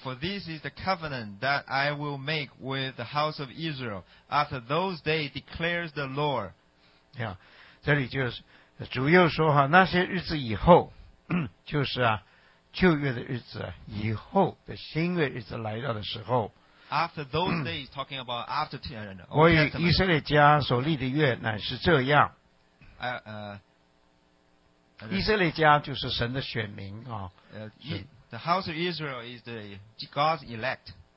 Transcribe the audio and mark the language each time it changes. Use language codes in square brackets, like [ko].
[en] For this is the covenant that I will make with the house of Israel after those days, declares the Lord. Yeah. [zh] 这里就是主又说那些日子以后，就是旧约的日子，以后的新约日子来到的时候。 [en] After those days, talking about after 10. [zh] 我与以色列家所立的约乃是这样。以色列家就是神的选民啊。 [en] The house of Israel is the God's elect.